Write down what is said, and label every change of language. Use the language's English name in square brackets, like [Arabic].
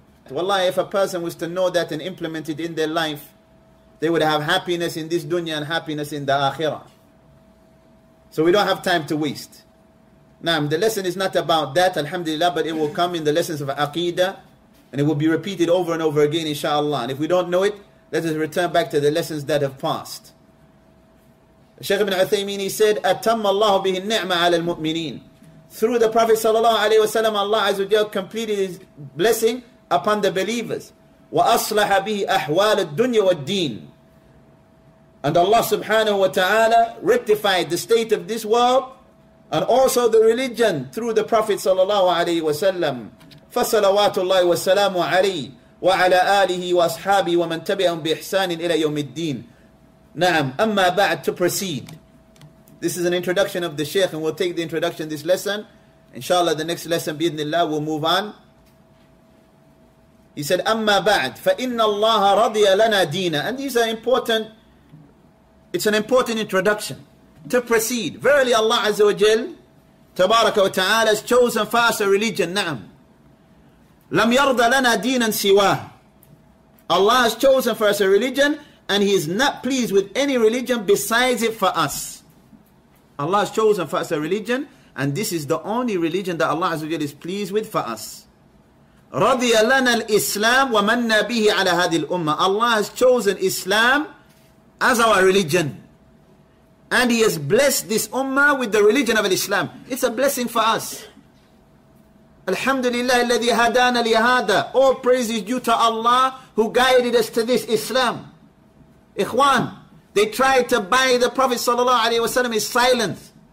[English] Wallahi, if a person was to know that and implement it in their life, they would have happiness in this dunya and happiness in the akhirah. So we don't have time to waste. Naam, the lesson is not about that, alhamdulillah, but it will come in the lessons of aqeedah. And it will be repeated over and over again, inshallah. And if we don't know it, let us return back to the lessons that have passed. Shaykh ibn Uthaymeen, he said, [Arabic] أَتَمَّ اللَّهُ بِهِ النِّعْمَ عَلَى الْمُؤْمِنِينَ. [English] Through the Prophet sallallahu alayhi wa sallam, Allah Azza wa Jalla completed His blessing upon the believers. [Arabic] وَأَصْلَحَ بِهِ أَحْوَالَ الدُّنْيَا وَالدِّينَ. [English] And Allah subhanahu wa ta'ala rectified the state of this world and also the religion through the Prophet sallallahu alayhi wa sallam. [Arabic] فَصَلَوَاتُ اللَّهِ وَالسَّلَامُ عَلَيْهِ وَعَلَىٰ آلِهِ وَأَصْحَابِهِ وَمَنْ تَبِعَهُمْ بِإِحْسَانٍ إِلَىٰ يَوْمِ الدِّينِ. نعم. أما بعد, [English] to proceed. This is an introduction of the Shaykh, and we'll take the introduction of this lesson. Inshallah, the next lesson, [Arabic] بإذن الله, [English] we'll move on. He said, [Arabic] أما بعد, فَإِنَّ اللَّهَ رَضِيَ لَنَا دِينَ. [English] And these are important, it's an important introduction. To proceed. Verily Allah Azza wa Jal, [Arabic] تبارك وتعالى, [English] has chosen for us a religion. [Arabic] نعم. لَمْ يَرْضَ لَنَا دِينًا سِوَاهُ. [English] Allah has chosen for us a religion and he is not pleased with any religion besides it for us. Allah has chosen for us a religion, and this is the only religion that Allah Azza wa Jalla is pleased with for us. [Arabic] رَضِيَ لَنَا الْإِسْلَامُ وَمَنَّا بِهِ عَلَى هَذِي الْأُمَّةِ [English] Allah has chosen Islam as our religion. And he has blessed this ummah with the religion of Islam. It's a blessing for us. Alhamdulillah [Arabic] الَّذِي هَدَانَا لِهَادَ [English] All praise is due to Allah who guided us to this Islam. Ikhwan, they tried to buy the Prophet sallallahu alayhi wa sallam his silence.